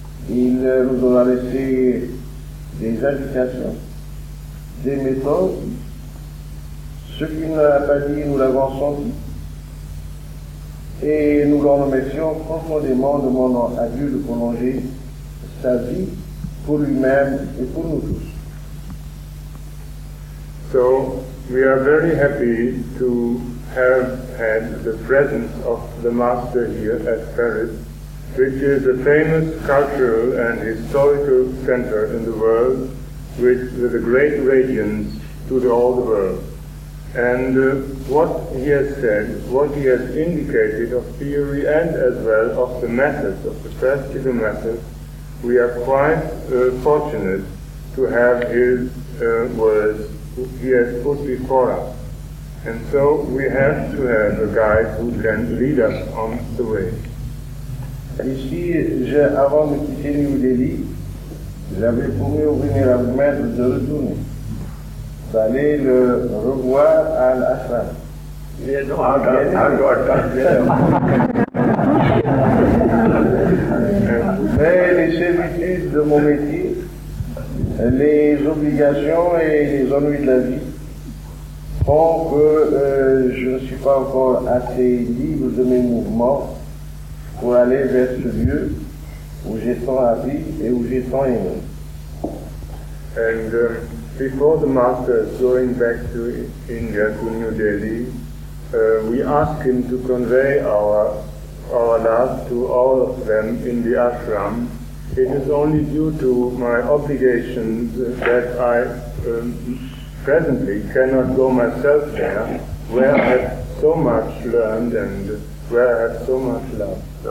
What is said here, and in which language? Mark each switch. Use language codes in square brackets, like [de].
[fr] Il nous aura laissé des indications, des méthodes. Ce qu'il n'a pas dit, nous l'avons senti. Et nous l'en remercions profondément, demandant à Dieu de prolonger sa vie pour lui-même et pour nous tous. [en] So, we are very happy to have had the presence of the Master here at Paris, which is a famous cultural and historical center in the world, with a great radiance to all the world. And what he has said, what he has indicated of theory and as well of the method, of the practical method, we are quite fortunate to have his words he has put before us. And so we have to have a guide who can lead us on the way. [fr] Ici, avant de quitter New Delhi, j'avais promis au vénérable maître de retourner, d'aller le revoir à l'ashram. Mais les servitudes de mon métier, les obligations et les ennuis de la vie font que je ne suis pas encore assez libre de mes mouvements pour aller vers ce lieu où j'ai tant à vivre et où j'ai tant aimé. [en] And before the Master is going back to India, to New Delhi, we ask him to convey our love to all of them in the ashram. It is only due to my obligations that I presently cannot go myself there, where I have so much learned and where I have so much love.